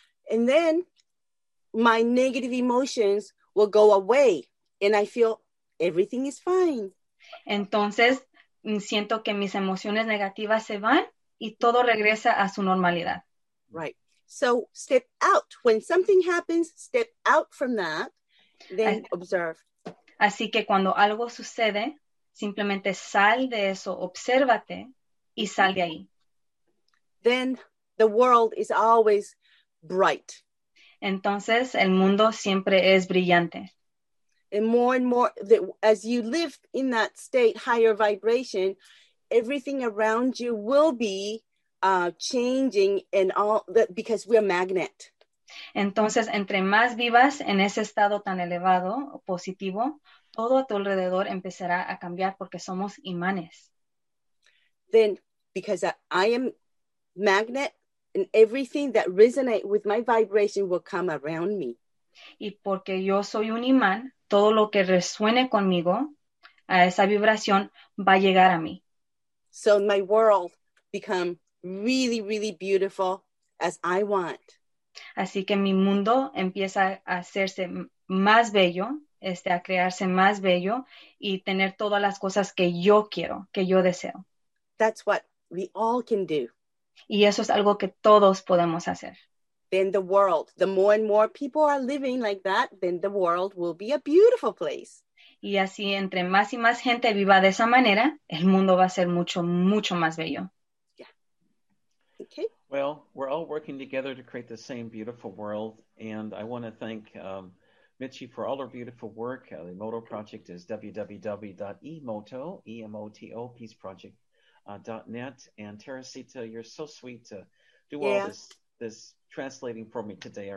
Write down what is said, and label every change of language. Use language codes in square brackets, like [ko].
[en] And then my negative emotions will go away and I feel everything is fine. [es] Entonces siento que mis emociones negativas se van y todo regresa a su normalidad. [en] Right. So step out. When something happens, step out from that, then observe. [es] Así que cuando algo sucede, simplemente sal de eso, obsérvate y sal de ahí. [en] Then the world is always bright. [es] Entonces el mundo siempre es brillante. [en] And more that as you live in that state, higher vibration, everything around you will be changing and all that because we're magnet. [es] Entonces, entre más vivas en ese estado tan elevado, positivo, todo a tu alrededor empezará a cambiar porque somos imanes. [en] Then, because I am magnet and everything that resonates with my vibration will come around me. [es] Y porque yo soy un imán, todo lo que resuene conmigo, a esa vibración, va a llegar a mí. [en] So my world become really, really beautiful as I want. [es] Así que mi mundo empieza a hacerse más bello, a crearse más bello y tener todas las cosas que yo quiero, que yo deseo. [en] That's what we all can do. [es] Y eso es algo que todos podemos hacer. [en] Then the world, the more and more people are living like that, then the world will be a beautiful place. [es] Y así, entre más y más gente viva de esa manera, el mundo va a ser mucho, mucho más bello. [en] Yeah. Okay. Well, we're all working together to create the same beautiful world. And I want to thank Michi for all her beautiful work. The Emoto Project is www.emoto.peaceproject.net. And Teresita, you're so sweet to do all this translating for me today.